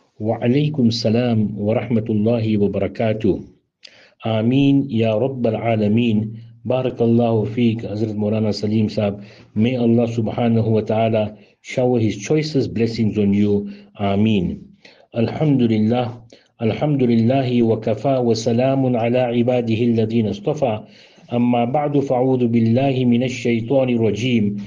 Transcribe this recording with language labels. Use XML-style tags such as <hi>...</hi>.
<ar>وعليكم السلام ورحمة الله وبركاته. آمين يا رب العالمين. بارك الله فيك حضرت مولانا سليم صاحب.</ar> <en>May Allah</en> <ar>سبحانه وتعالى</ar> <en>shower his choicest blessings on you.</en> <ar>آمين. الحمد لله الحمد لله وكفى وسلام على عباده الذين اصطفى. أما بعد فأعوذ بالله من الشيطان الرجيم.</ar>